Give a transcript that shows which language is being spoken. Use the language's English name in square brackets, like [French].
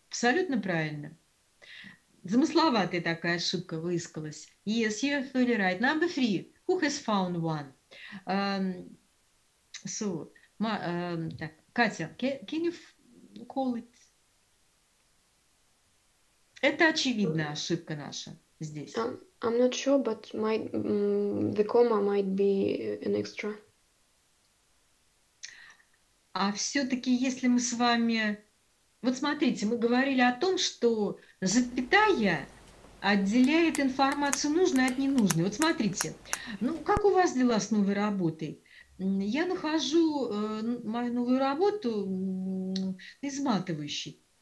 [Russian] Абсолютно правильно. Замысловатая такая ошибка выискалась. [English] Yes, you're fully right. Number three. Who has found one? Так, Катя, can you call it? [Russian] Это очевидная ошибка наша здесь. [English] I'm not sure, but the comma might be an extra. [Russian] А все-таки, если мы с вами... Вот смотрите, мы говорили о том, что запятая отделяет информацию нужную от ненужной. Вот смотрите, ну как у вас дела с новой работой? Я нахожу мою новую работу изматывающей.